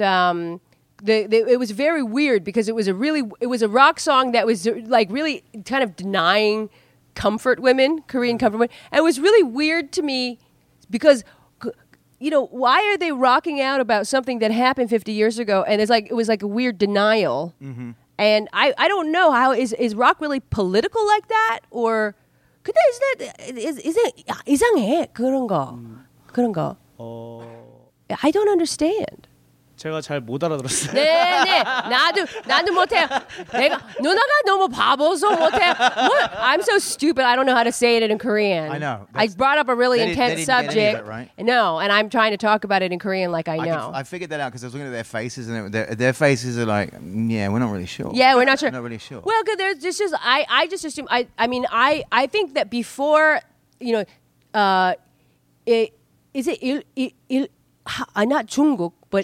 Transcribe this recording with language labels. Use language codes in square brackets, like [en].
[en] It was very weird because it was a rock song that was like really kind of denying comfort women, Korean comfort women. And it was really weird to me because, you know, why are they rocking out about something that happened 50 years ago? And it's like, it was like a weird denial. Mm-hmm. And I don't know how, is rock really political like that? [ko] Or, 근데 이상해, 그런 거. [en] I don't understand. [ko] 제가 잘 못 알아들었어요. 네. 나도 못해요. 내가 누나가 너무 바보서 못해요. [en] What? I'm so stupid. I don't know how to say it in Korean. I know. I brought up a really intense subject. They didn't get any of it, right? No, and I'm trying to talk about it in Korean like I know. I figured that out because I was looking at their faces and their faces are like, yeah, we're not really sure. Yeah, we're not sure. Not really sure. Well, because there's just, I just assume, I think that before, you know, not 중국, but